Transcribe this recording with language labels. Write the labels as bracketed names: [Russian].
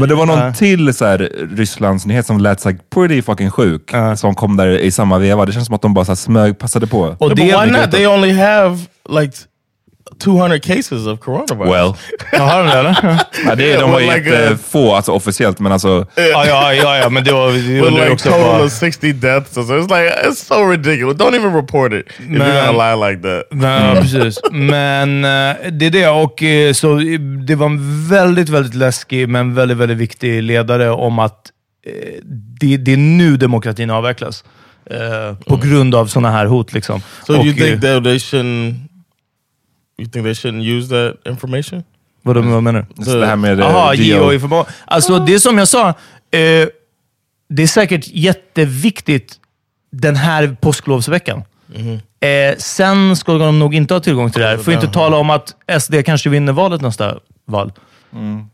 [Swedish] men det var någon till så här, Rysslands nyhet som lät sig [English] pretty fucking [Swedish] sjuk. Som kom där i samma veva. Det känns som att de bara så här, smög, passade på. Och det, [English] why not? They only have... like 200 cases of coronavirus. Well. [Swedish] Jag har den där. Ja, det är de var like få alltså officiellt, men alltså ja, men det var ju [English] like total of 60 deaths. So it's like it's so ridiculous. Don't even report it. Men, if you're gonna lie like that. [Swedish] Nej, precis. Men det är det, och så det var en väldigt väldigt läskig men väldigt väldigt viktig ledare om att det är nu demokratin avvecklas på grund av såna här hot liksom. [English] So och, you think that they shouldn't... You think they shouldn't use that information? [Swedish] Vad du menar? Det här med geoinformation. Alltså det som jag sa, det är säkert jätteviktigt den här påsklovsveckan. Mm-hmm. Sen ska de nog inte ha tillgång till det här. Får inte tala om att SD kanske vinner valet nästa val. Mm.